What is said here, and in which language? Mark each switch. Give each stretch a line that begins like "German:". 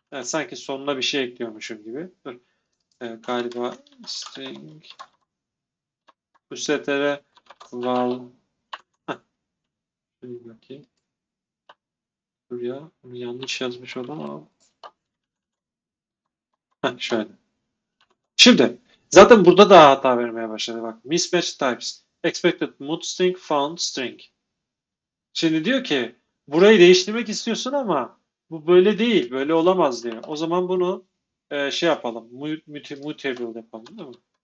Turkish: Yani sanki sonuna bir şey ekliyormuşum gibi. Dur. Galiba string bu str val bakayım. Dur ya. Bunu yanlış yazmış oldum ama. Şöyle. Şimdi zaten burada da hata vermeye başladı. Bak, mismatch types.
English: Expected mut string found string.
Turkish: Şimdi diyor ki burayı değiştirmek istiyorsun ama bu böyle değil. Böyle olamaz diyor. O zaman bunu şey yapalım. Mutable yapalım, değil mi?